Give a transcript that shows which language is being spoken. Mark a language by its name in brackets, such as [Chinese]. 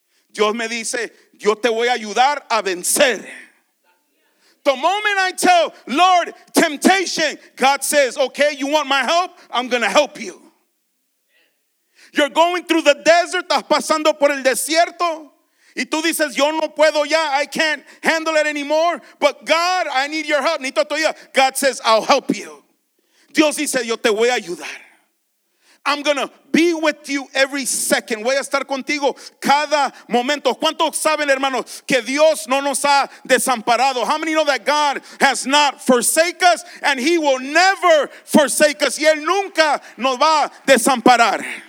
[Spanish] Dios me dice, yo te voy a ayudar a vencer. [English] The moment I tell, Lord, temptation, God says, okay, you want my help? I'm going to help you. You're going through the desert, [Spanish] estás pasando por el desierto, y tú dices, yo no puedo ya, [English] I can't handle it anymore, but God, I need your help. [Spanish] Necesito tu ayuda. [English] God says, I'll help you. [Spanish] Dios dice, yo te voy a ayudar. [English] I'm going to be with you every second. [Spanish] Voy a estar contigo cada momento. ¿Cuántos saben, hermanos, que Dios no nos ha desamparado? [English] How many know that God has not forsaken us and He will never forsake us? [Spanish] Y Él nunca nos va a desamparar.